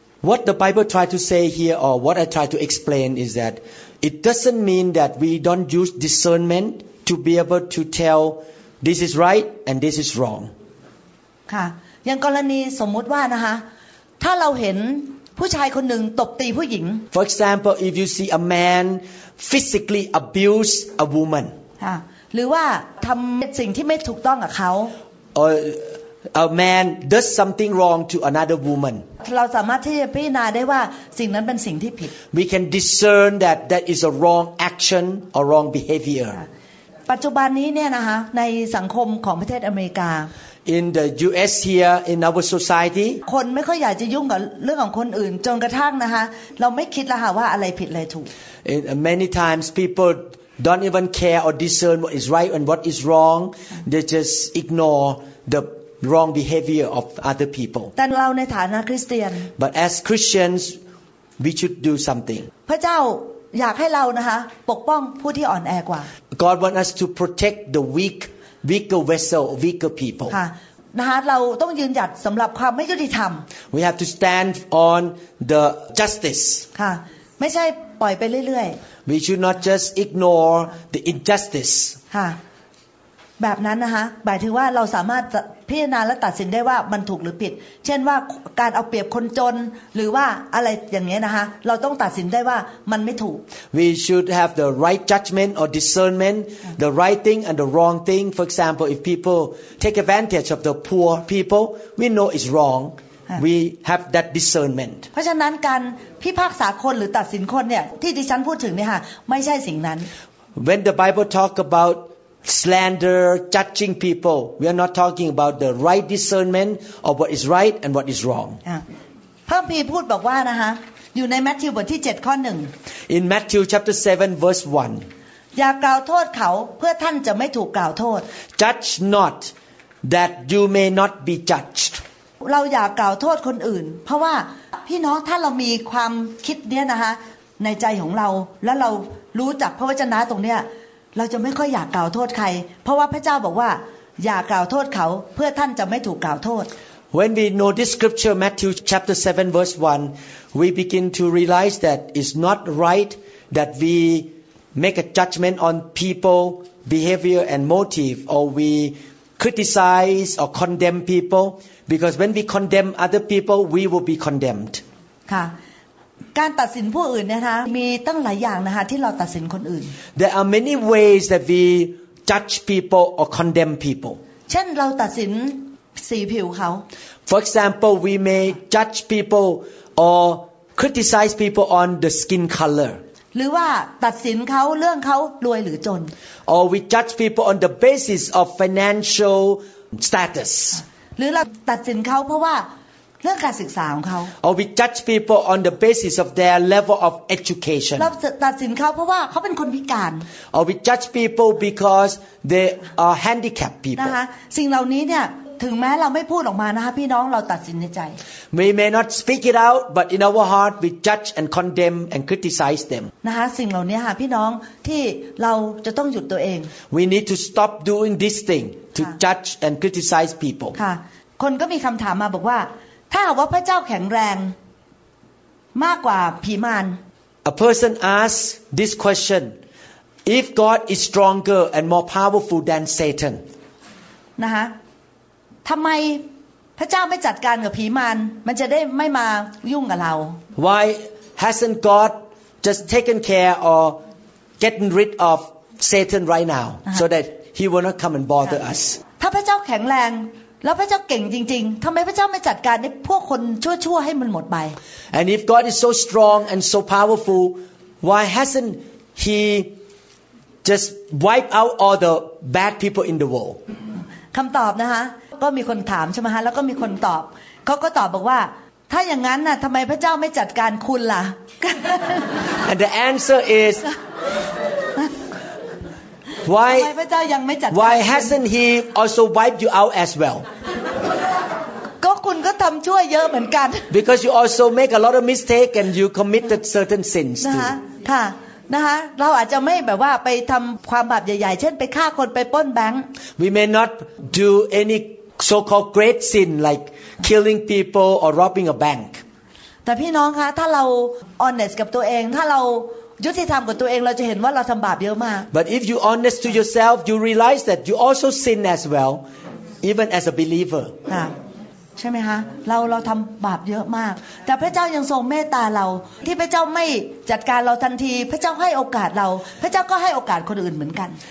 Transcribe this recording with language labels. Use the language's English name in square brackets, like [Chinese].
[English] What the Bible tried to say here, or what I tried to explain, is that it doesn't mean that we don't use discernment to be able to tell this is right and this is wrong. [Thai] ค่ะ อย่างกรณีสมมติว่านะคะ ถ้าเราเห็นผู้ชายคนหนึ่งตบตีผู้หญิง [English] For example, if you see a man physically abuse a woman. [Thai] ค่ะ หรือว่าทำสิ่งที่ไม่ถูกต้องกับเขา [English] Or a man does something wrong to another woman. [Thai] เราสามารถที่จะพิจารณาได้ว่าสิ่งนั้นเป็นสิ่งที่ผิด [English] We can discern that that is a wrong action or wrong behavior. [Thai] ปัจจุบันนี้เนี่ยนะคะในสังคมของประเทศอเมริกา [English] In the U.S. here in our society, [Thai] คนไม่ค่อยอยากจะยุ่งกับเรื่องของคนอื่นจนกระทั่งนะคะเราไม่คิดแล้วค่ะว่าอะไรผิดอะไรถูก [English] Many times people don't even care or discern what is right and what is wrong. They just ignore the. Wrong behavior of other people. [Thai] แต่เราในฐานะคริสเตียน [English] But as Christians, we should do something. [Thai] พระเจ้าอยากให้เรานะคะปกป้องผู้ที่อ่อนแอกว่า [English] God wants us to protect the weak, weaker vessel, weaker people. [Thai] ค่ะนะคะเราต้องยืนหยัดสำหรับความไม่ยุติธรรม [English] We have to stand on the justice. [Thai] ค่ะไม่ใช่ปล่อยไปเรื่อย ๆ [English] We should not just ignore the injustice. [Thai] ค่ะแบบนั้นนะคะหมายถึงว่าเราสามารถพิจารณาและตัดสินได้ว่ามันถูกหรือผิดเช่นว่าการเอาเปรียบคนจนหรือว่าอะไรอย่างเงี้ยนะคะเราต้องตัดสินได้ว่ามันไม่ถูก [English] We should have the right judgment or discernment the right thing and the wrong thing for example if people take advantage of the poor people we know it's wrong we have that discernment [Thai] เพราะฉะนั้นการพิพากษาคนหรือตัดสินคนเนี่ยที่ดิฉันพูดถึงเนี่ยค่ะไม่ใช่สิ่งนั้น [English] When the Bible talk aboutslander judging people we are not talking about the right discernment of what is right and what is wrong [Thai] พระคัมภีร์พูดบอกว่านะฮะอยู่ในมัทธิวบทที่7ข้อ1 [English] in Matthew chapter 7 verse 1 [Thai] อย่ากล่าวโทษเขาเพื่อท่านจะไม่ถูกกล่าวโทษ [English] judge not that you may not be judged [Thai] เราอย่ากล่าวโทษคนอื่นเพราะว่าพี่น้องถ้าเรามีความคิดเนี้ยนะฮะในใจของเราแล้วเรารู้จักพระวจนะตรงเนี้ยเราจะไม่ค่อยอยากกล่าวโทษใครเพราะว่าพระเจ้าบอกว่าอย่ากล่าวโทษเขาเพื่อท่านจะไม่ถูกกล่าวโทษ [English] When we know this scripture, Matthew chapter 7 verse 1, we begin to realize that it's not right that we make a judgment on people, behavior and motive, or we criticize or condemn people, because when we condemn other people, we will be condemned. [Thai] การตัดสินผู้อื่นนะคะมีตั้งหลายอย่างนะคะที่เราตัดสินคนอื่น [English] There are many ways that we judge people or condemn people. [Thai] เช่นเราตัดสินสีผิวเขา [English] For example, we may judge people or criticize people on the skin color. [Thai] หรือว่าตัดสินเขาเรื่องเขารวยหรือจน [English] Or we judge people on the basis of financial status. [Thai] หรือเราตัดสินเขาเพราะว่าเรื่องการศึกษาของเขา [English] Or we judge people on the basis of their level of education. [Thai] เราตัดสินเขาเพราะว่าเขาเป็นคนพิการ [English] Or we judge people because they are handicapped people. [Thai] นะคะสิ่งเหล่านี้เนี่ยถึงแม้เราไม่พูดออกมานะคะพี่น้องเราตัดสินในใจ [English] We may not speak it out but in our heart we judge and condemn and criticize them [Thai] นะคะสิ่งเหล่านี้ค่ะพี่น้องที่เราจะต้องหยุดตัวเอง [English] We need to stop doing this thing to judge and criticize people [Thai] ค่ะคนก็มีคำถามมาบอกว่าถ้าว่าพระเจ้าแข็งแรงมากกว่าผีมาร [English] A person asks this question if God is stronger and more powerful than Satan [Thai] นะคะทำไมพระเจ้าไม่จัดการกับผีมารมันจะได้ไม่มายุ่งกับเรา [English] Why hasn't God just taken care or getting rid of Satan right now so that he will not come and bother us [Thai] ถ้าพระเจ้าแข็งแรงแล้วพระเจ้าเก่งจริงๆทำไมพระเจ้าไม่จัดการพวกคนชั่วๆให้มันหมดไป [English] And if God is so strong and so powerful why hasn't he just wipe out all the bad people in the world [Thai] คำตอบนะคะก็มีคนถามใช่ไหมฮะแล้วก็มีคนตอบเขาก็ตอบบอกว่าถ้าอย่างนั้นน่ะทำไมพระเจ้าไม่จัดการคุณล่ะ [English] And the answer is why [Thai] พระเจ้ายังไม่จัด การ [English] Why hasn't he also wiped you out as well [Thai] ก็คุณก็ทำชั่วเยอะเหมือนกัน [English] Because you also make a lot of mistake and you committed certain sins [Thai] นะคะค่ะนะคะเราอาจจะไม่แบบว่าไปทำความบาปใหญ่ๆเช่นไปฆ่าคนไปปล้นแบงค์ [English] We may not do any so-called great sin like killing people or robbing a bank [Thai] แต่พี่น้องคะถ้าเรา [English] honest [Thai] กับตัวเองถ้าเรายุติธรรมกับตัวเองเราจะเห็นว่าเราทำบาปเยอะมาก [English] But if you honest to yourself you realize that you also sin as well even as a believer [Thai] ใช่ไหมคะเราทำบาปเยอะมากแต่พระเจ้ายังทรงเมตตาเราที่พระเจ้าไม่จัดการเราทันทีพระเจ้าให้โอกาสเราพระเจ้าก็ให้โอกาสคนอื่นเหมือนกัน